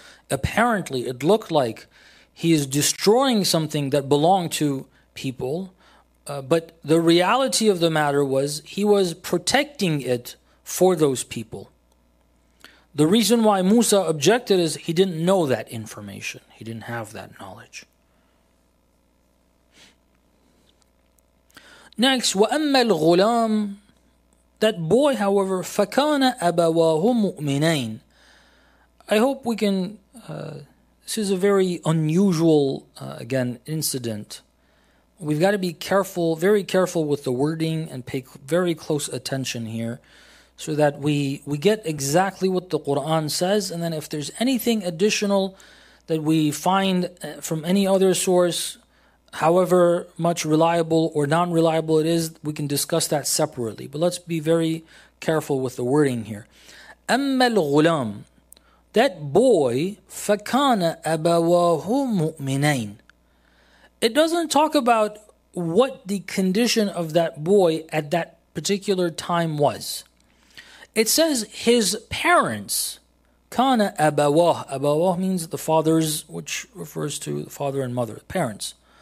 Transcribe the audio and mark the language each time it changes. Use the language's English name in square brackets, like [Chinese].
[English] Apparently, it looked like he is destroying something that belonged to people, But the reality of the matter was he was protecting it for those people. The reason why Musa objected is he didn't know that information. He didn't have that knowledge. Next, [Arabic] وَأَمَّا الْغُلَامِ, [English] that boy, however, [Arabic] فَكَانَ أَبَوَاهُ مُؤْمِنَيْنِ. [English] I hope we can, this is a very unusual, again, incident. We've got to be careful, very careful with the wording and pay very close attention here so that we get exactly what the Quran says. And then if there's anything additional that we find from any other source, however much reliable or non-reliable it is, we can discuss that separately. But let's be very careful with the wording here. [Arabic] أَمَّا الْغُلَامِ, [English] that boy, [Arabic] فَكَانَ أَبَوَاهُ مُؤْمِنَيْنِ. [English] It doesn't talk about what the condition of that boy at that particular time was. It says his parents, [Arabic] كَانَ أَبَوَاهُ. [English] أَبَوَاهُ means the fathers, which refers to the father and mother, parents.